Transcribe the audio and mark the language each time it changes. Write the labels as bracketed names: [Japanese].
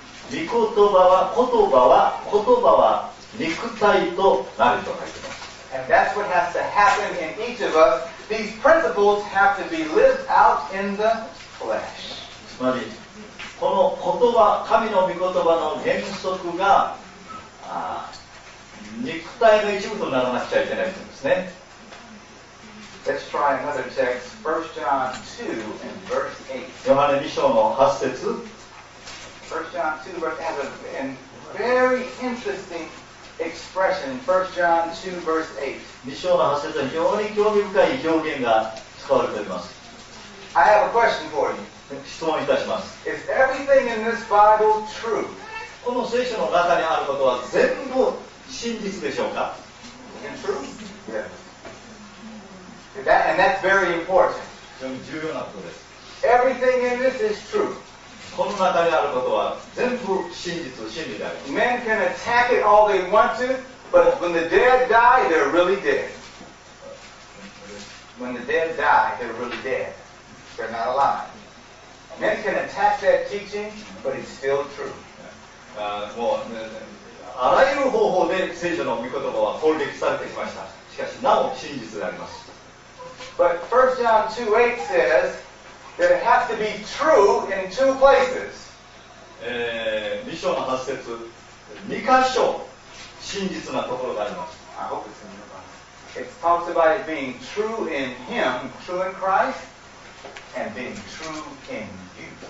[Japanese] 御言葉は言葉は肉体となると書いてます。 [English] And that's what has to happen in each of us. These principles have to be lived out in the flesh. [Japanese] つまり、この言葉、神の御言葉の原則が肉体の一部とならなくちゃいけないんですね。 [English] Let's try another text. 1 John 2 and verse 8. [Japanese] ヨハネ2章の8節。 [English] 1 John 2 verse has a very interesting expression. 1 John 2 verse 8. [Japanese] 2章の8節は非常に興味深い表現が使われております。 [English] I have a question for you. [Japanese] 質問いたします。 [English] Is everything in this Bible true? [Japanese] この聖書の中にあることは全部真実でしょうか? [English] True? Yes. And that's very important. [Japanese] 非常に重要なことです。 [English] Everything in this is true. [Japanese] この中にあることは全部真実、真理である。 [English] Men can attack it all they want to, but when the dead die, they're really dead. When the dead die, they're really dead. They're not alive. Men can attack that teaching, but it's still true. [Japanese] もう、あらゆる方法で聖書の御言葉は攻撃されてきました。しかし、なお真実であります。 [English] But 1 John 2:8 says,That it has to be true in two places. [Japanese] 2章の8節、2箇所真実なところがあります。 [English] I hope it's in the Bible. It talks about it being true in Him, true in Christ, and being true in you.